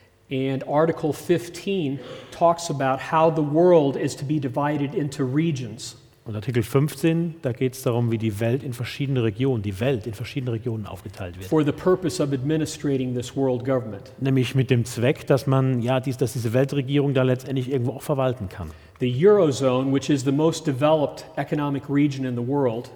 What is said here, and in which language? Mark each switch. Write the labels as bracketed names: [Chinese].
[English] And Article 15 talks about how the world is to be divided into regions. [German] Und Artikel 15, da geht es darum, wie die Welt in verschiedene Regionen aufgeteilt wird. [English] For the purpose of administrating this world government. [German] Nämlich mit dem Zweck, dass man dass diese Weltregierung da letztendlich irgendwo auch verwalten kann. [English] The Eurozone, which is the most developed economic region in the world.